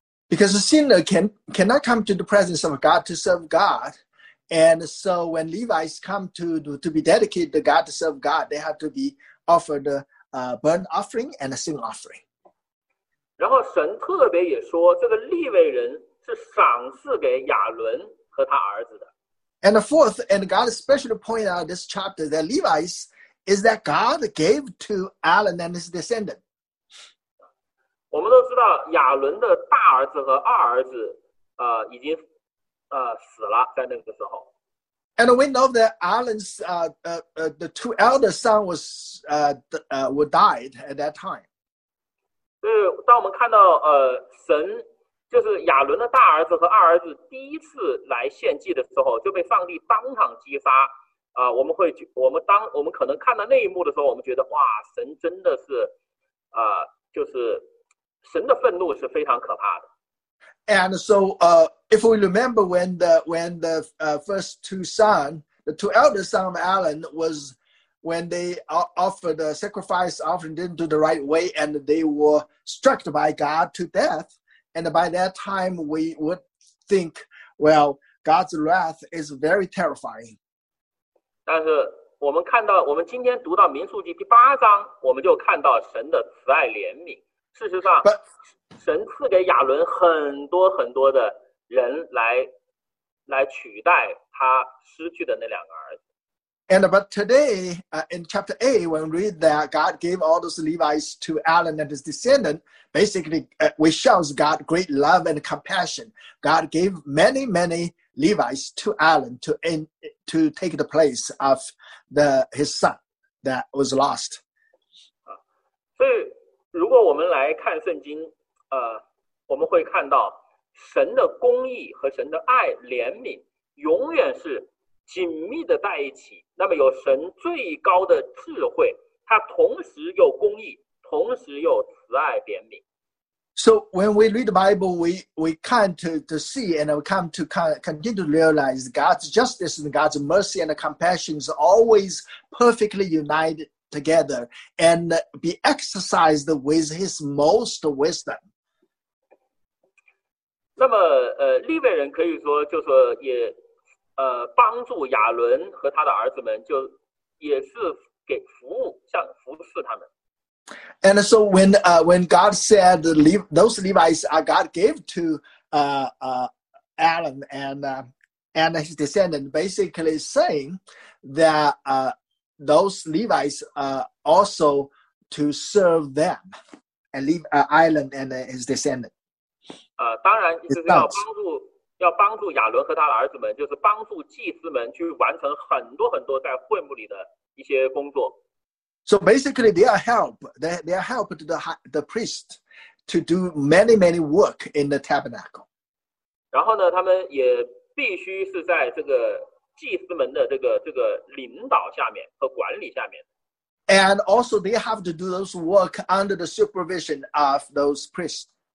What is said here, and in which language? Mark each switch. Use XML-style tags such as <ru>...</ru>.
<en>Because a sinner cannot come to the presence of God to serve God. And so when Levites come to be dedicated to God, to serve God, they have to be offered a burnt offering and a sin offering.</en> <zh>然后神特别也说，这个利未人是赏赐给亚伦和他儿子的。</zh> <en>And the fourth, and God especially pointed out this chapter, that Levites is that God gave to Aaron and his descendants.</en> <zh>我们都知道亚伦的大儿子和二儿子已经死了，在那个时候。</zh> <en>And we know that Alan's the two elder son was were died at that time.</en> <zh>所以当我们看到神就是亚伦的大儿子和二儿子第一次来献祭的时候，就被上帝当场击杀。我们可能看到那一幕的时候，我们觉得哇，神真的是就是神的愤怒是非常可怕的。</zh> <en>And so, if we remember when the first two sons, the two eldest sons of Aaron was, when they offered the sacrifice offering didn't do the right way and they were struck by God to death. And by that time, we would think, well, God's wrath is very terrifying.</en> <zh>但是我们看到，我们今天读到民数记第八章，我们就看到神的慈爱怜悯。事实上，</zh> <en>But,</en> <zh>神赐给亚伦很多很多的人来取代他失去的那两个儿子。</zh> <en>And but today, in chapter 8, when we read that God gave all those Levites to Aaron and his descendant, basically, which shows God's great love and compassion. God gave many, many Levites to Aaron to take the place of his son that was lost.</en> <zh>所以如果我们来看圣经，我们会看到神的公义和神的爱怜悯永远是紧密的在一起。那么有神最高的智慧，他同时又公义，同时又慈爱怜悯。</zh> <en>So when we read the Bible, we come to see and we come to continue to realize God's justice and God's mercy and compassion is always perfectly united together and be exercised with His most wisdom.</en> <zh>那么利未人可以说就是也帮助亚伦和他的儿子们，就也是给服务，像服侍他们。</zh> <en>And so when God said those Levites are God gave to Aaron and his descendant, basically saying that those Levites are also to serve them and leave Aaron and his descendant.</en> <zh>当然就是要帮助要帮助亚伦和他的儿子们，就是帮助祭司们去完成很多很多在会幕里的一些工作。</zh> <en>So basically, they are help. They are help to the priest to do many many work in the tabernacle.</en> <zh>然后呢，他们也必须是在这个祭司们的这个领导下面和管理下面。</zh> <en>And also, they have to do those work under the supervision of those priests.</en>